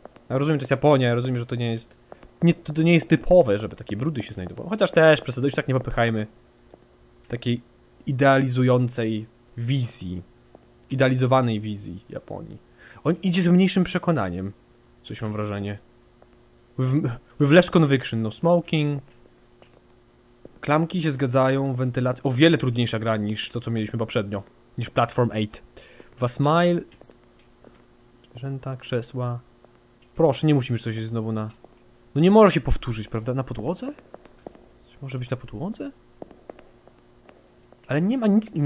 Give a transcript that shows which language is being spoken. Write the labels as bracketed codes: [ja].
[pl] Ja rozumiem, to jest Japonia, ja rozumiem, że to nie jest... Nie, to nie jest typowe, żeby takie brudy się znajdowały. Chociaż też, przesadzić tak nie popychajmy. Takiej idealizującej wizji. Idealizowanej wizji Japonii. On idzie z mniejszym przekonaniem. Coś mam wrażenie. [en] With less conviction, no smoking. [pl] Klamki się zgadzają, wentylacja... O wiele trudniejsza gra niż to, co mieliśmy poprzednio. Niż Platform 8. Dwa smile. Zwierzęta, krzesła. Proszę, nie musimy, że coś jest znowu na... No nie może się powtórzyć, prawda? Na podłodze? Czy może być na podłodze? Ale nie ma nic...